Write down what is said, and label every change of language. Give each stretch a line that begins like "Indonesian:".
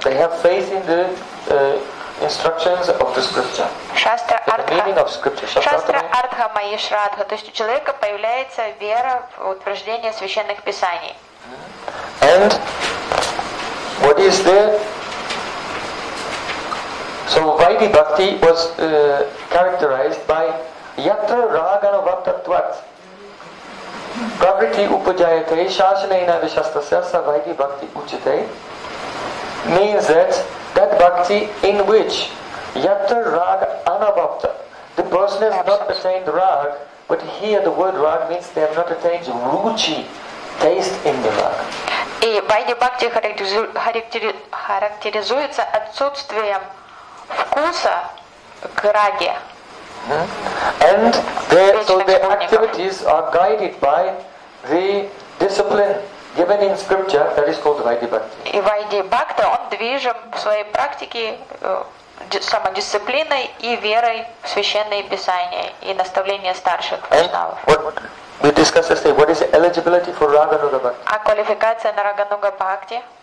English: They have faith in the instructions of the scripture.
Sanskrit: Shastra artha.
English: The meaning of scripture.
Sanskrit: Shastra artha mayi shraddha.
Russian: То есть у человека появляется вера в утверждение священных писаний.
English: And what is the? So Vaidhi Bhakti was characterized by
Sanskrit: yatra ragana vartatvat. Pravriti upajayate shasaneina vishastasya sa vaidhi bhakti uchate
English: means that bhakti in which
Sanskrit: yatra raga anavapta,
English: the person has not attained rag, but here the word rag means they have not attained ruchi, taste in the rag.
Russian: И vaidhi bhakti характеризуется отсутствием вкуса к раге.
English: And their activities are guided by the discipline given in scripture that is called Vaidhi Bhakti.
Russian: И Вайди Бхакта, он движим в своей практике самодисциплиной и верой в священные писания и наставления старших вайшнавов.
English: We discussed yesterday, what is the eligibility for Рагануга Бхакти?
Russian: А квалификация на Рагануга Бхакти?